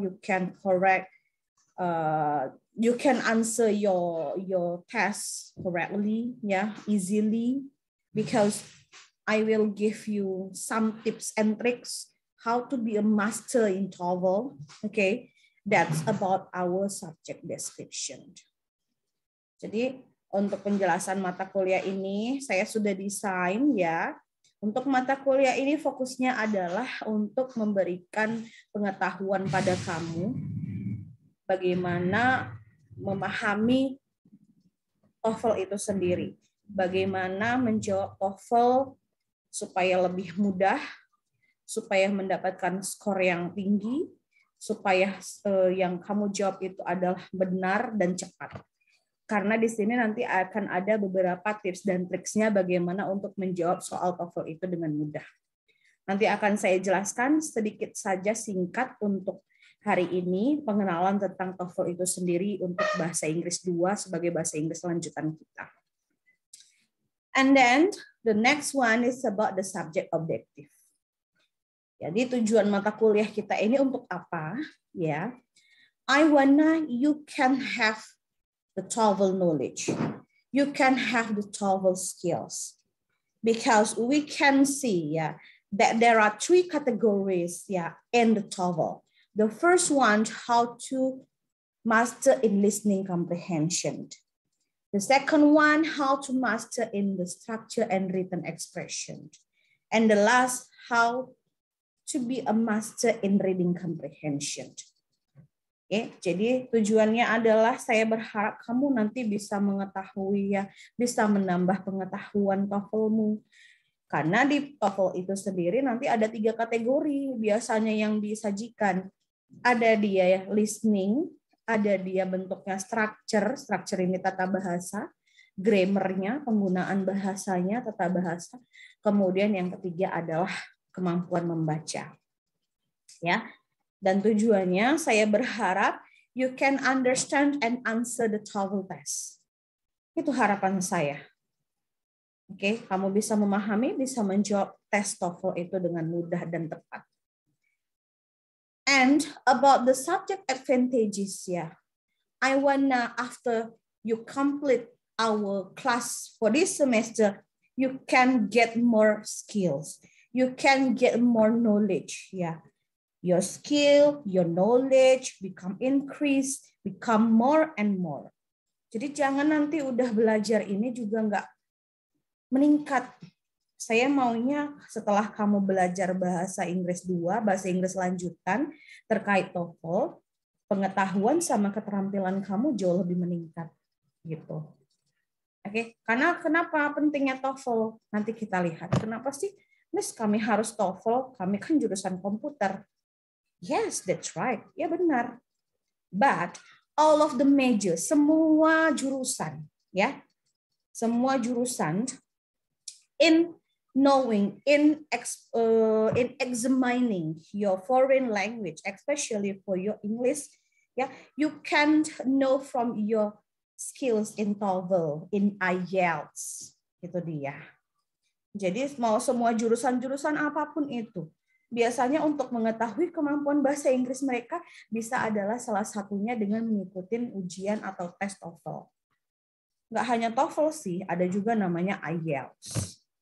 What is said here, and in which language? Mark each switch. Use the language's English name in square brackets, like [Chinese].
[English] You can correct, you can answer your test correctly, yeah, easily, because I will give you some tips and tricks how to be a master in TOEFL, okay? That's about our subject description. [Indonesian] Jadi, untuk penjelasan mata kuliah ini, saya sudah desain, ya. Untuk mata kuliah ini, fokusnya adalah untuk memberikan pengetahuan pada kamu bagaimana memahami TOEFL itu sendiri. Bagaimana menjawab TOEFL supaya lebih mudah, supaya mendapatkan skor yang tinggi, supaya yang kamu jawab itu adalah benar dan cepat. Karena di sini nanti akan ada beberapa tips dan triksnya bagaimana untuk menjawab soal TOEFL itu dengan mudah. Nanti akan saya jelaskan sedikit saja singkat untuk hari ini pengenalan tentang TOEFL itu sendiri untuk bahasa Inggris 2 sebagai bahasa Inggris lanjutan kita. [English] And then the next one is about the subject objective. [Indonesian] Jadi tujuan mata kuliah kita ini untuk apa? [English] Ya, yeah. I wanna you can have the TOEFL knowledge. You can have the TOEFL skills. Because we can see, yeah, that there are 3 categories, yeah, in the TOEFL. The first one, how to master in listening comprehension. The second one, how to master in the structure and written expression. And the last, how to be a master in reading comprehension. [Indonesian] Jadi tujuannya adalah saya berharap kamu nanti bisa mengetahui ya, bisa menambah pengetahuan TOEFL-mu. Karena di TOEFL itu sendiri nanti ada tiga kategori biasanya yang disajikan. Ada dia ya, listening, ada dia bentuknya structure, structure ini tata bahasa, grammarnya, penggunaan bahasanya, tata bahasa. Kemudian yang ketiga adalah kemampuan membaca. Ya. Dan tujuannya saya berharap [English] you can understand and answer the TOEFL test. [Indonesian] Itu harapan saya. Oke, kamu bisa memahami, bisa menjawab tes TOEFL itu dengan mudah dan tepat. [English] And about the subject advantages, yeah. I wanna after you complete our class for this semester, you can get more skills. You can get more knowledge, yeah. Your skill, your knowledge become increased, become more and more. [Indonesian] Jadi jangan nanti udah belajar ini juga nggak meningkat. Saya maunya setelah kamu belajar bahasa Inggris 2, bahasa Inggris lanjutan terkait TOEFL, pengetahuan sama keterampilan kamu jauh lebih meningkat gitu. Oke, karena kenapa pentingnya TOEFL? Nanti kita lihat. Kenapa sih, Miss, kami harus TOEFL? Kami kan jurusan komputer. [English] Yes, that's right. [Indonesian] Ya benar. [English] But all of the major, [Indonesian] semua jurusan, ya. Semua jurusan [English] in knowing, in examining your foreign language, especially for your English, yeah, you can know from your skills in TOEFL, in IELTS, [Indonesian] itu dia. Jadi mau semua jurusan-jurusan apapun itu, biasanya untuk mengetahui kemampuan bahasa Inggris mereka bisa adalah salah satunya dengan mengikuti ujian atau tes TOEFL. Nggak hanya TOEFL sih, ada juga namanya IELTS.